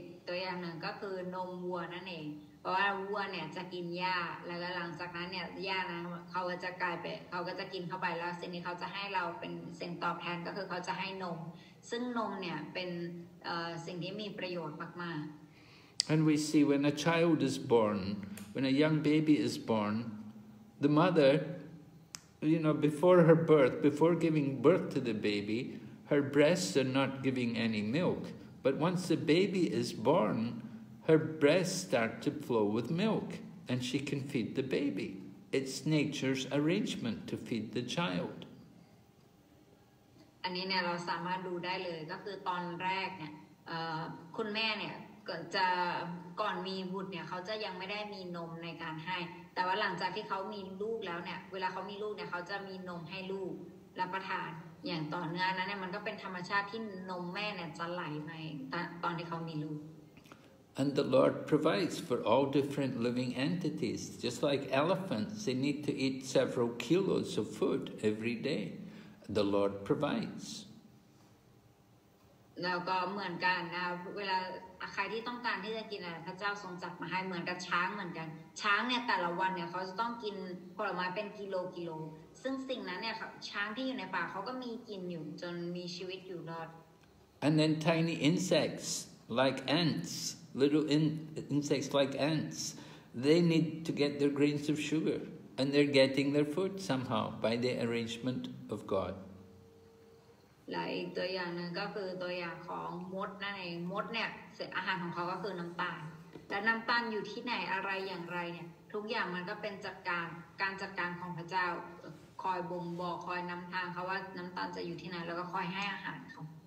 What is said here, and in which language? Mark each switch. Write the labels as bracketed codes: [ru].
[th] ตัวอย่างหนึ่งก็คือนมวัวนั่นเองเพราะว่าวัวเนี่ยจะกินหญ้าแล้วก็หลังจากนั้นเนี่ยหญ้านะเขาก็จะกินเข้าไปแล้วสิ่งที่เขาจะให้เราเป็นสิ่งตอบแทนก็คือเขาจะให้นมซึ่งนมเนี่ยเป็นสิ่งที่มีประโยชน์มากมาก [en] And we see when a child is born, when a young baby is born, the mother, you know, before her birth, before giving birth to the baby, her breasts are not giving any milk. But once the baby is born, her breasts start to flow with milk and she can feed the baby. It's nature's arrangement to feed the child. [th] อันนี้เนี่ยเราสามารถดูได้เลยก็คือตอนแรกเนี่ยคุณแม่เนี่ย ก่อนจะก่อนมีบุตรเนี่ยเขาจะยังไม่ได้มีนมในการให้แต่ว่าหลังจากที่เขามีลูกแล้วเนี่ยเวลาเขามีลูกเนี่ยเขาจะมีนมให้ลูกรับประทานอย่างต่อเนื่องนั้นเนี่ยมันก็เป็นธรรมชาติที่นมแม่เนี่ยจะไหลมาตอนที่เขามีลูก [en] And the Lord provides for all different living entities just like elephants they need to eat several kilos of food every day the Lord provides [th] แล้วก็เหมือนกันนะเวลาใครที่ต้องการที่จะกินอะไรพระเจ้าทรงจัดมาให้เหมือนกับช้างเหมือนกันช้างเนี่ยแต่ละวันเนี่ยเขาจะต้องกินผลไม้เป็นกิโลกิโลซึ่งสิ่งนั้นเนี่ยช้างที่อยู่ในป่าเขาก็มีกินอยู่จนมีชีวิตอยู่รอด [en] And then tiny insects like ants little insects like ants they need to get their grains of sugar and they're getting their food somehow by the arrangement of God. [th] หลายตัวอย่างนึงก็คือตัวอย่างของมดนั่นเองมดเนี่ยเศษอาหารของเขาก็คือน้ำตาลแต่น้ำตาลอยู่ที่ไหนอะไรอย่างไรเนี่ยทุกอย่างมันก็เป็นจัดการการจัดการของพระเจ้าคอยบ่งบอกคอยนำทางเขาว่าน้ำตาลจะอยู่ที่ไหนแล้วก็คอยให้อาหารเขา